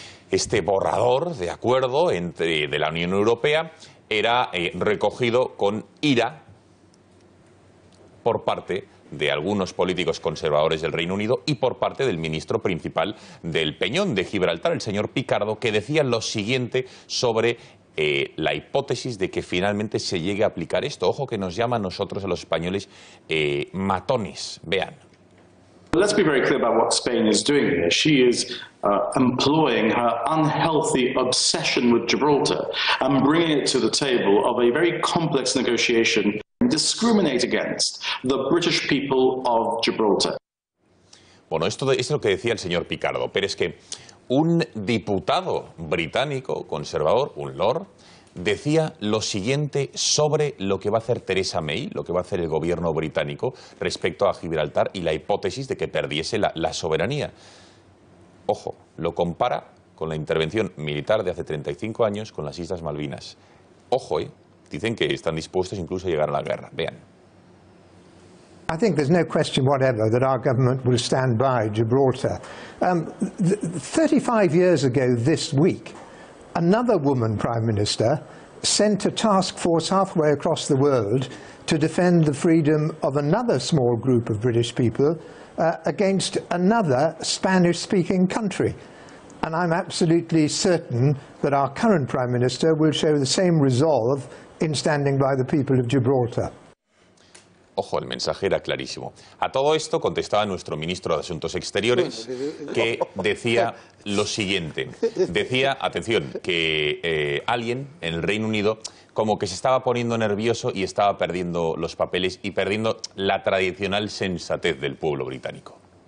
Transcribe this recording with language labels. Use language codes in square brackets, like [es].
[es] Este borrador de acuerdo de la Unión Europea era recogido con ira por parte de algunos políticos conservadores del Reino Unido y por parte del ministro principal del Peñón de Gibraltar, el señor Picardo, que decía lo siguiente sobre la hipótesis de que finalmente se llegue a aplicar esto. Ojo, que nos llama a nosotros, a los españoles, matones. Vean. [en] Let's be very clear about what Spain is doing here. She is employing her unhealthy obsession with Gibraltar and bringing it to the table of a very complex negotiation and discriminate against the British people of Gibraltar. [es] Bueno, esto es lo que decía el señor Picardo, pero es que un diputado británico conservador, un Lord, decía lo siguiente sobre lo que va a hacer Theresa May, lo que va a hacer el gobierno británico respecto a Gibraltar y la hipótesis de que perdiese la soberanía. Ojo, lo compara con la intervención militar de hace 35 años con las Islas Malvinas. Ojo, dicen que están dispuestos incluso a llegar a la guerra. Vean. [en] I think there's no question whatever that our government will stand by Gibraltar. 35 years ago this week, another woman prime minister sent a task force halfway across the world to defend the freedom of another small group of British people against another Spanish-speaking country. And I'm absolutely certain that our current prime minister will show the same resolve in standing by the people of Gibraltar. [es] Ojo, el mensaje era clarísimo. A todo esto contestaba nuestro ministro de Asuntos Exteriores, que decía lo siguiente. Decía, atención, que alguien en el Reino Unido como que se estaba poniendo nervioso y estaba perdiendo los papeles y perdiendo la tradicional sensatez del pueblo británico.